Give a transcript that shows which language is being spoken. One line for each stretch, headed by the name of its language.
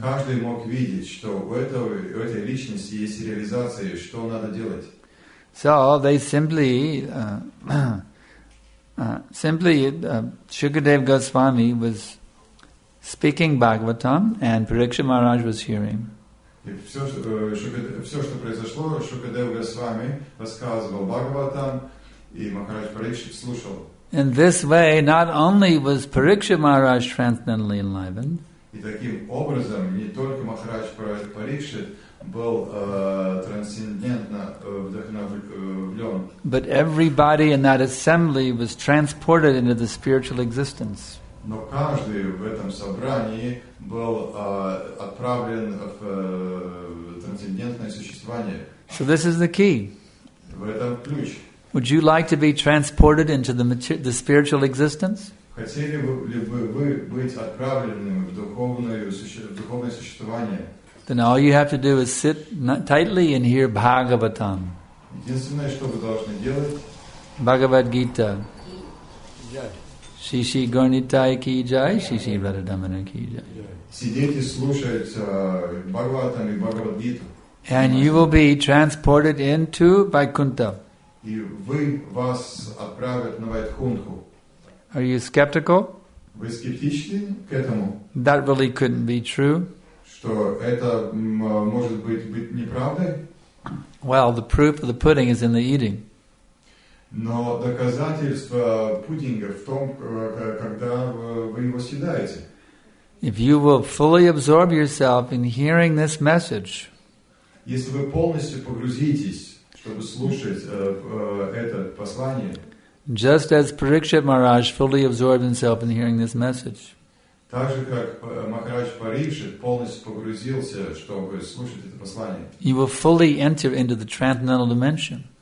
Russian: Каждый мог видеть, что у этой личности есть реализация, что надо делать.
English: So they simply Shukadev Goswami was speaking Bhagavatam, and Pariksit Maharaj was hearing.
Russian: Все, что произошло, Shukadev Goswami рассказывал Бхагаватам, и Махарадж Парикшит слушал.
English: In this way, not only was Pariksit Maharaj transcendentally enlivened,
Russian: и таким образом не только Махарадж Парикшит был трансцендентно вдохновлен,
English: but everybody in that assembly was transported into the spiritual existence.
Russian: но каждый в этом собрании был отправлен в трансцендентное существование.
English: So this is the key.
Russian: В этом ключ.
English: Would you like to be transported into the spiritual existence?
Russian: Хотели ли бы вы быть отправленным в духовное существование?
English: Then all you have to do is sit tightly and hear Bhagavatam.
Russian: Единственное, что вы должны делать.
English: Bhagavad Gita. Shishi Gurnitai ki jai, Shishi Radhadamana ki jai.
Russian: Сидеть и слушать Бхагаватам и Бхагавад Гиту.
English: And you will be transported into Vaikuntha.
Russian: И вас отправят на Вайкунтху.
English: Are you skeptical?
Russian: Вы скептичны к этому?
English: That really couldn't be true.
Russian: Что это может быть неправдой?
English: Well, the proof of the pudding is in the eating.
Russian: Но доказательство пудинга в том, когда вы его съедаете.
English: If you will fully absorb yourself in hearing this message,
Russian: если вы полностью погрузитесь, чтобы слушать это послание,
English: just as Parikshit Maharaj fully absorbed himself in hearing this message,
Russian: так же как Махарадж Парикшит полностью погрузился, чтобы слушать это послание,
English: you will fully enter into the transcendental dimension.